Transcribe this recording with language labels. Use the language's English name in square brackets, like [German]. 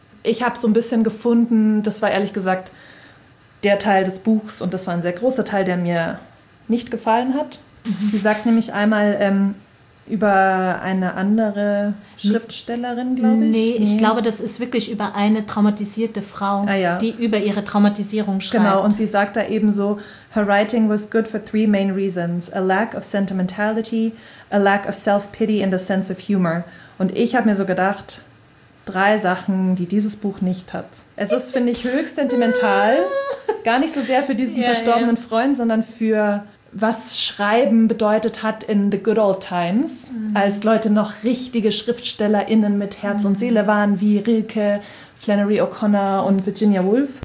[German] Ich habe so ein bisschen gefunden, das war ehrlich gesagt der Teil des Buchs und das war ein sehr großer Teil, der mir nicht gefallen hat. Sie sagt nämlich einmal über eine andere Schriftstellerin, glaube ich. Nee, ich glaube, das ist wirklich über eine traumatisierte Frau, die über ihre Traumatisierung schreibt. Genau, und sie sagt da eben so, [English] her writing was good for 3 main reasons. A lack of sentimentality, a lack of self-pity and a sense of humor. [German] Und ich habe mir so gedacht, 3 Sachen, die dieses Buch nicht hat. Es ist, finde ich, höchst sentimental. Gar nicht so sehr für diesen verstorbenen Freund, sondern für was Schreiben bedeutet hat [English] in the good old times, [German] als Leute noch richtige SchriftstellerInnen mit Herz und Seele waren, wie Rilke, Flannery O'Connor und Virginia Woolf.